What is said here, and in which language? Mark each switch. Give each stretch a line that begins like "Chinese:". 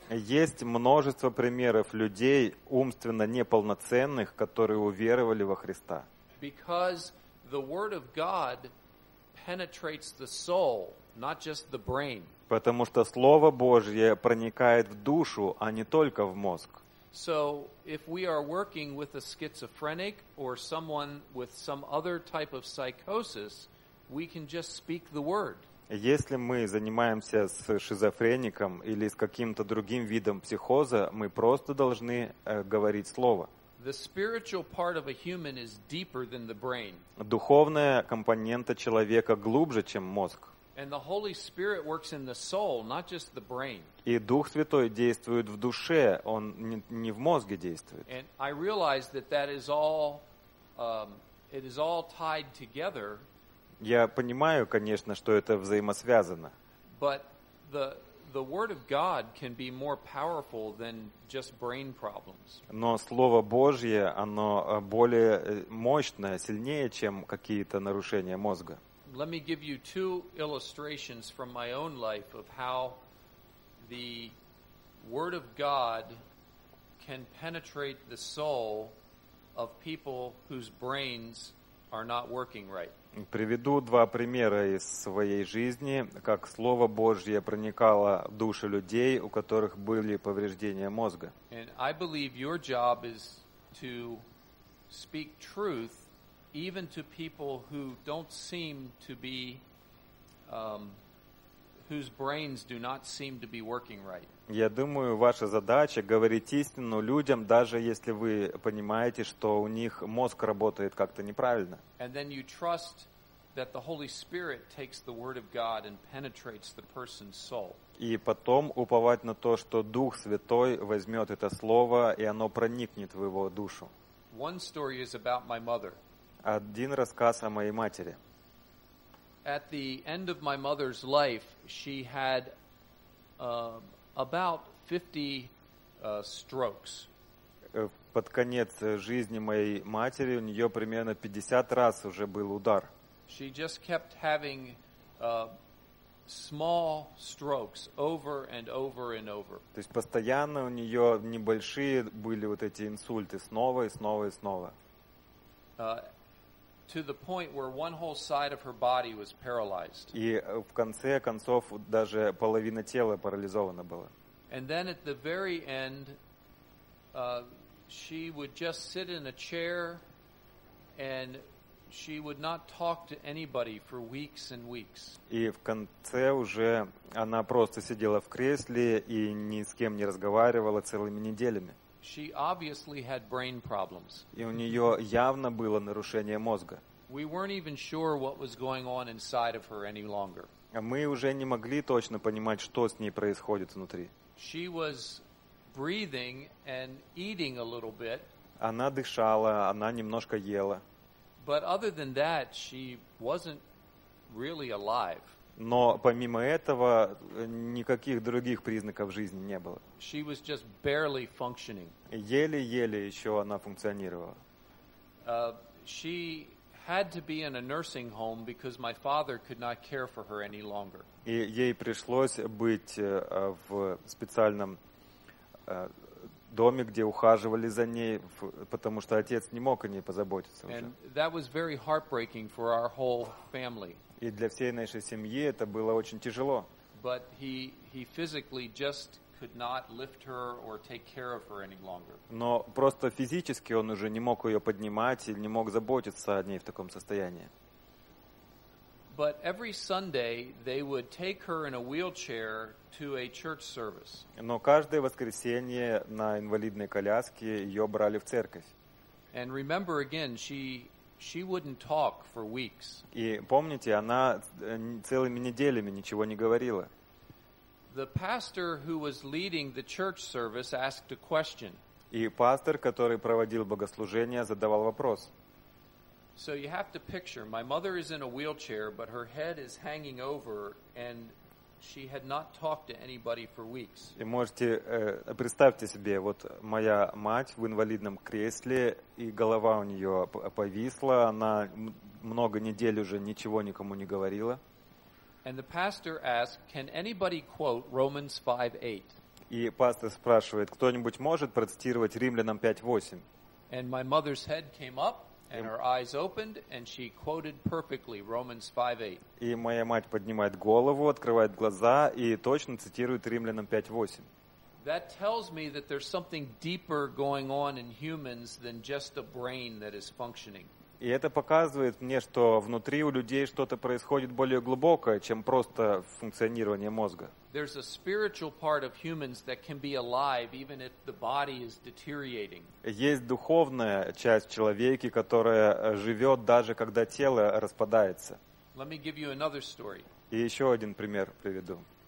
Russian: Есть множество примеров людей умственно неполноценных, которые уверовали во Христа.
English: Because the word of God penetrates the soul, not just the brain.
Russian: Потому что слово Божье проникает в душу, а не только в мозг.
English: So if we are working with a schizophrenic or someone with some other type of psychosis, we can just speak the word.
Russian: Если мы занимаемся с шизофреником или с каким-то другим видом психоза, мы просто должны говорить слово.
English: The spiritual part of a human is deeper than the brain.
Russian: Духовная компонента человека глубже, чем мозг.
English: And the Holy Spirit works in the soul, not just the brain.
Russian: И Дух Святой действует в душе, он не в мозге действует.
English: And I realize that is all it is all tied together.
Russian: Я понимаю, конечно, что это взаимосвязано.
English: But the word of God can be more powerful than just brain problems.
Russian: Но слово Божье, оно более мощное, сильнее, чем какие-то нарушения мозга.
English: Let me give you two illustrations from my own life of how the word of God can penetrate the soul of people whose brains are not working right.
Russian: Приведу два примера из своей жизни, как слово Божье проникало в души людей, у которых были повреждения мозга.
English: And I believe your job is to speak truth even to people who don't seem to be whose brains do not seem to be working right.
Russian: Я думаю, ваша задача говорить истину людям, даже если вы понимаете, что у них мозг работает как-то неправильно.
English: And then you trust that the Holy Spirit takes the word of God and penetrates the person's soul.
Russian: И потом уповать на то, что Дух Святой возьмёт это слово, и оно проникнет в его душу.
English: One story is about my mother.
Russian: Один рассказ о моей матери.
English: At the end of my mother's life, she had about 50 strokes.
Russian: Под конец жизни моей матери у неё примерно 50 раз уже был удар.
English: She just kept having small strokes over and over and over.
Russian: То есть постоянно у неё небольшие были вот эти инсульты снова и снова и снова.
English: To the point where one whole side of her body was paralyzed.
Russian: И в конце концов даже половина тела парализована была.
English: And then at the very end, she would just sit in a chair, and she would not talk to anybody for weeks and weeks.
Russian: И в конце уже она просто сидела в кресле и ни с кем не разговаривала целыми неделями.
English: She obviously had brain problems.
Russian: И у неё явно было нарушение мозга.
English: We weren't even sure what was going on inside of her any longer.
Russian: А мы уже не могли точно понимать, что с ней происходит внутри.
English: She was breathing and eating a little bit.
Russian: Она дышала, она немножко ела.
English: But other than that, she wasn't really alive.
Russian: Но помимо этого никаких других признаков жизни не было.
English: She was just barely functioning.
Russian: Еле-еле ещё она функционировала.
English: She had to be in a nursing home because my father could not care for her any longer.
Russian: И ей пришлось быть в специальном доме, где ухаживали за ней, потому что отец не мог о ней позаботиться уже.
English: And that was very heartbreaking for our whole family.
Russian: И для всей нашей семьи это было очень тяжело.
English: But he physically just could not lift her or take care of her any longer.
Russian: Но просто физически он уже не мог её поднимать и не мог заботиться о ней в таком состоянии.
English: But every Sunday they would take her in a wheelchair to a church service.
Russian: Но каждое воскресенье на инвалидной коляске её брали в церковь.
English: And remember again, she wouldn't talk for weeks.
Russian: И помните, она целыми неделями ничего не говорила.
English: The pastor who was leading the church service asked a question.
Russian: И пастор, который проводил богослужение, задавал вопрос.
English: So you have to picture, my mother is in a wheelchair, but her head is hanging over, and she had not talked to anybody for weeks.
Russian: И можете представьте себе, вот моя мать в инвалидном кресле, и голова у неё повисла, она много недель уже ничего никому не говорила.
English: And the pastor asked, can anybody quote Romans 5:8?
Russian: И пастор спрашивает, кто-нибудь может процитировать Римлянам 5:8?
English: And my mother's head came up and her eyes opened and she quoted perfectly Romans 5:8.
Russian: И моя мать поднимает голову, открывает глаза и точно цитирует Римлянам 5:8.
English: That tells me that there's something deeper going on in humans than just a brain that is functioning.
Russian: И это показывает мне, что внутри у людей что-то происходит более глубокое, чем просто функционирование мозга.
English: There's a spiritual part of humans that can be alive even if the body is deteriorating.
Russian: Есть духовная часть человека, которая живёт даже когда тело распадается.
English: Let me give you another story.
Russian: И ещё один пример приведу.